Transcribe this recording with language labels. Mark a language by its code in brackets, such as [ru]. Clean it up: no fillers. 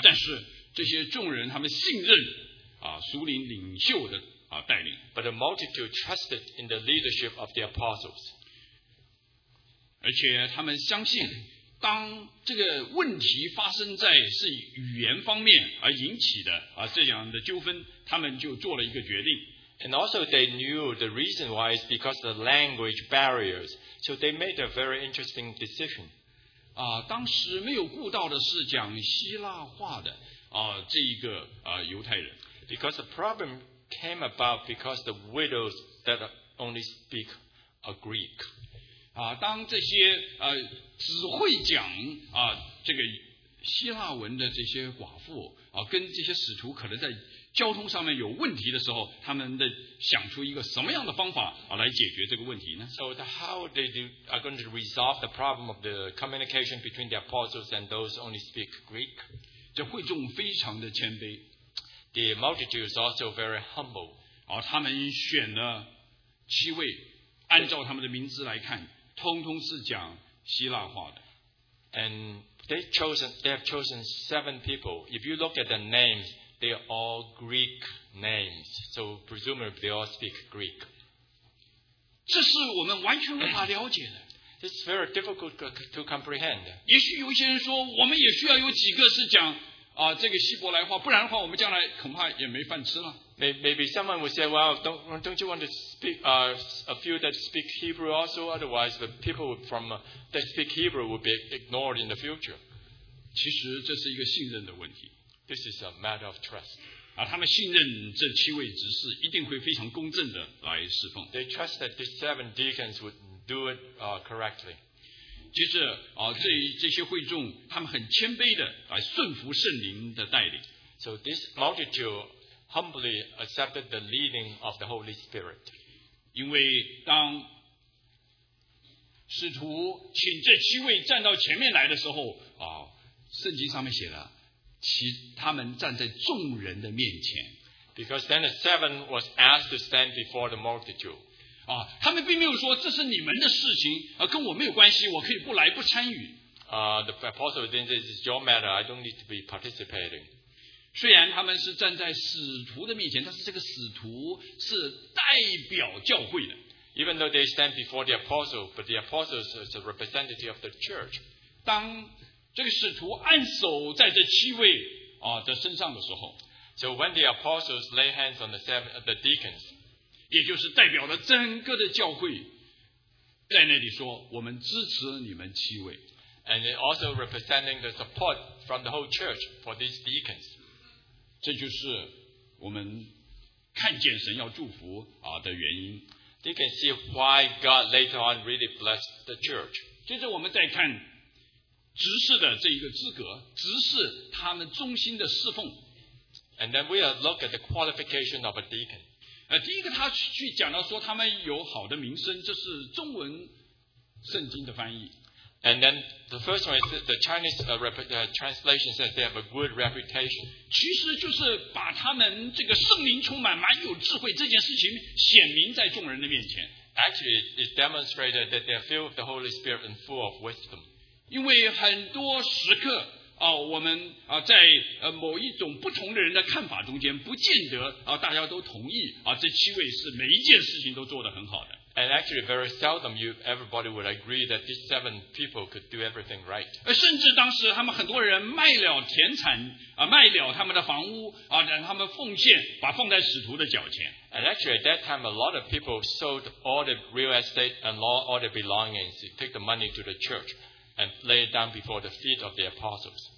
[zh] 但是这些众人他们信任属灵领袖的带领。 [en] But the multitude trusted in the leadership of the apostles. [zh] 而且他们相信。当这个问题发生在是语言方面而引起的这样的纠纷，他们就做了一个决定。 [en] And also they knew the reason why is because of the language barriers, so they made a very interesting decision. [zh] 当时没有顾到的是讲希腊话的这一个犹太人。 [en] Because the problem came about because the widows that only speak a Greek. [zh] 当这些只会讲这个希腊文的这些寡妇跟这些使徒可能在交通上面有问题的时候，他们的想出一个什么样的方法来解决这个问题呢 [en] ？So how they are going to resolve the problem of the communication between the apostles and those only speak Greek? [zh] 这会众非常的谦卑 [en] ，the multitude is also very humble. [zh] 他们选了七位。按照他们的名字来看，通通是讲希腊话的。 [en] And they have chosen seven people. If you look at the names, they are all Greek names. So presumably they all speak Greek. [zh] 这是我们完全无法了解的。 [en] It's very difficult to comprehend. [zh] 也许有些人说，我们也需要有几个是讲这个希伯来话，不然的话，我们将来恐怕也没饭吃了。 [en] Maybe someone would say, well, don't you want to speak a few that speak Hebrew also? Otherwise, the people from, that speak Hebrew would be ignored in the future. [zh] 其实这是一个信任的问题。 [en] This is a matter of trust. [zh] 他们信任这七位执事一定会非常公正的来侍奉。 [en] They trust that these seven deacons would do it correctly. [zh] 接着这些会众他们很谦卑的来顺服圣灵的带领。 [en] So this multitude... humbly accepted the leading of the Holy Spirit. [zh] 因为当使徒请这七位站到前面来的时候圣经上面写了他们站在众人的面前。 [en] Because then the seven was asked to stand before the multitude. [zh] 他们并没有说这是你们的事情跟我没有关系我可以不来不参与。 [en] The apostle didn't say, this is your matter, I don't need to be participating. [zh] 虽然他们是站在使徒的面前，但是这个使徒是代表教会的。 [en] Even though they stand before the apostle, but the apostle is a representative of the church. [zh] 当这个使徒按手在这七位的身上的时候 [en] ，So when the apostles lay hands on the seven of the deacons, [zh] 也就是代表了整个的教会，在那里说我们支持你们七位。 [en] And it also representing the support from the whole church for these deacons. [zh] 这就是我们看见神要祝福的原因。 [en] They can see why God later on really blessed the church. [zh] 接着我们再看执事的这一个资格，执事他们忠心的侍奉。 [en] And then we will look at the qualification of a deacon. [zh] 第一个他去讲到说他们有好的名声，这是中文圣经的翻译。 [en] And then the first one is the Chinese translation says they have a good reputation. [zh] 其实就是把他们这个圣灵充满蛮有智慧这件事情显明在众人的面前。 [en] Actually, it demonstrated that they are filled with the Holy Spirit and full of wisdom. [zh] 因为很多时刻我们在某一种不同的人的看法中间不见得大家都同意这七位是每一件事情都做得很好的。 [en] And actually, very seldom everybody would agree that these seven people could do everything right. [zh] 甚至当时他们很多人卖了田产卖了他们的房屋让他们奉献把放在使徒的脚前。 [en] And actually, at that time, a lot of people sold all the real estate and all the belongings, take the money to the church, and lay it down before the feet of the apostles.